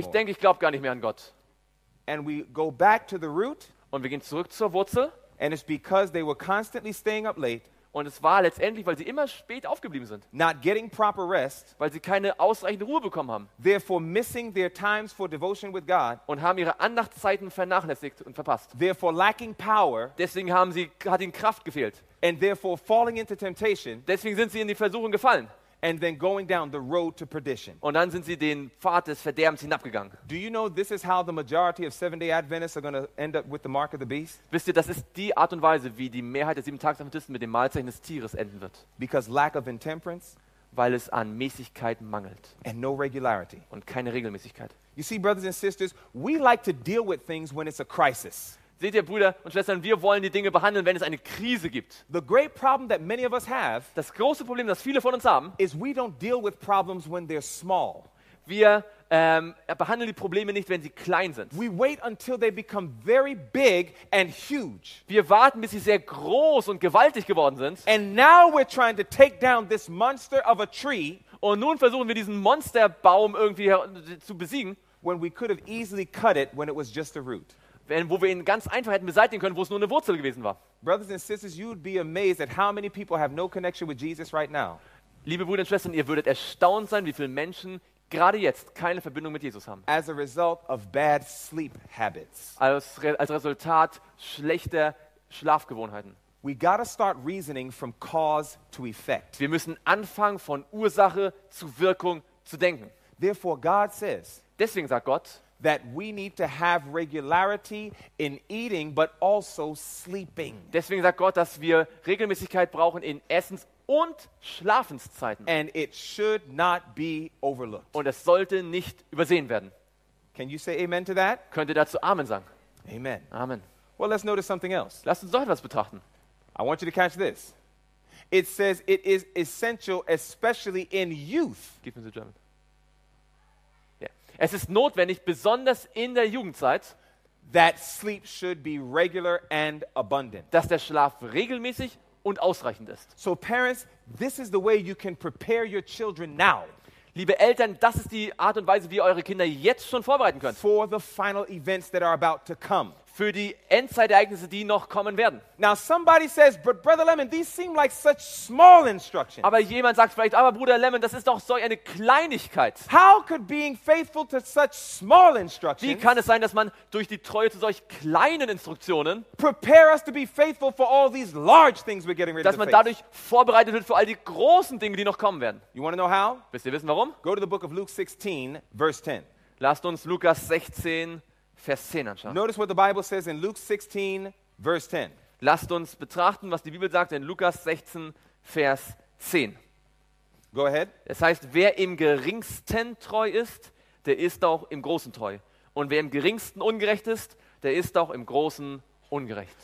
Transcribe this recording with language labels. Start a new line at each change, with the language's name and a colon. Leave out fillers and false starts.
German: Ich denke, ich glaube gar nicht mehr an Gott.
English: And we go back to the root,
German: und wir gehen zurück zur Wurzel.
English: And it's because they were constantly staying up late,
German: und es war letztendlich, weil sie immer spät aufgeblieben sind.
English: Not getting proper rest,
German: weil sie keine ausreichende Ruhe bekommen haben.
English: Therefore missing their times for devotion with God,
German: und haben ihre Andachtszeiten vernachlässigt und verpasst.
English: Therefore lacking power,
German: deswegen haben sie, hat ihnen Kraft gefehlt.
English: And therefore falling into temptation,
German: deswegen sind sie in die Versuchung gefallen.
English: And then going down the road to perdition.
German: Und dann sind sie den Pfad des Verderbens hinabgegangen.
English: Do you know this is how the majority of Seventh-day Adventists are going to end up with the mark of the beast?
German: Wisst ihr, das ist die Art und Weise, wie die Mehrheit der Siebentagesadventisten mit dem Malzeichen des Tieres enden wird.
English: Because lack of intemperance,
German: weil es an Mäßigkeit mangelt.
English: And no regularity,
German: und keine Regelmäßigkeit.
English: You see, brothers and sisters, we like to deal with things when it's a crisis.
German: Seht ihr, Brüder und Schwestern, wir wollen die Dinge behandeln, wenn es eine Krise gibt.
English: The great problem that many of us have,
German: das große Problem, das viele von uns haben,
English: is we don't deal with problems when they're small.
German: Wir behandeln die Probleme nicht, wenn sie klein sind.
English: We wait until they become very big and huge.
German: Wir warten, bis sie sehr groß und gewaltig geworden sind.
English: And now we're trying to take down this monster of a tree.
German: Und nun versuchen wir, diesen Monsterbaum irgendwie zu besiegen,
English: when we could have easily cut it when it was just a root.
German: Wo wir ihn ganz einfach hätten beseitigen können, wo es nur eine Wurzel gewesen war.
English: Brothers and sisters, you'd be amazed at how many people have no connection with Jesus right now.
German: Liebe Brüder und Schwestern, ihr würdet erstaunt sein, wie viele Menschen gerade jetzt keine Verbindung mit Jesus haben.
English: As a result of bad sleep habits.
German: Als Resultat schlechter Schlafgewohnheiten.
English: We gotta start reasoning from cause to effect.
German: Wir müssen anfangen, von Ursache zu Wirkung zu denken.
English: Therefore God says,
German: deswegen sagt Gott,
English: that we need to have regularity in eating, but also sleeping.
German: Deswegen sagt Gott, dass wir Regelmäßigkeit brauchen in Essens- und Schlafenszeiten.
English: And it should not be overlooked.
German: Und es sollte nicht übersehen werden.
English: Can you say amen to that?
German: Könnt ihr dazu Amen sagen?
English: Amen.
German: Amen.
English: Well, let's notice something else.
German: Lasst uns doch etwas betrachten.
English: I want you to catch this. It says it is essential, especially in youth. Gib mir so German.
German: Es ist notwendig, besonders in der Jugendzeit,
English: that sleep should be regular and abundant.
German: Dass der Schlaf regelmäßig und ausreichend ist.
English: So parents, this is the way you can prepare your children now.
German: Liebe Eltern, das ist die Art und Weise, wie ihr eure Kinder jetzt schon vorbereiten könnt.
English: For the final events that are about to come.
German: Für die Endzeitereignisse, die noch kommen werden.
English: Now somebody says, but Brother Lemon, these seem like such small instructions.
German: Aber jemand sagt vielleicht, aber Bruder Lemon, das ist doch so eine Kleinigkeit.
English: How could being faithful to such small instructions?
German: Wie kann es sein, dass man durch die Treue zu solch kleinen Instruktionen
English: prepare us to be faithful for all these large things we're getting ready to face?
German: Dass man dadurch vorbereitet wird für all die großen Dinge, die noch kommen werden.
English: You want to know how?
German: Willst du wissen, warum?
English: Go to the book of Luke 16, verse 10.
German: Lasst uns Lukas 16 Vers 10 anschauen.
English: Notice what the Bible says in Luke 16, verse 10.
German: Lasst uns betrachten, was die Bibel sagt in Lukas 16, Vers 10.
English: Go ahead.
German: Es heißt, wer im Geringsten treu ist, der ist auch im Großen treu. Und wer im Geringsten ungerecht ist, der ist auch im Großen ungerecht.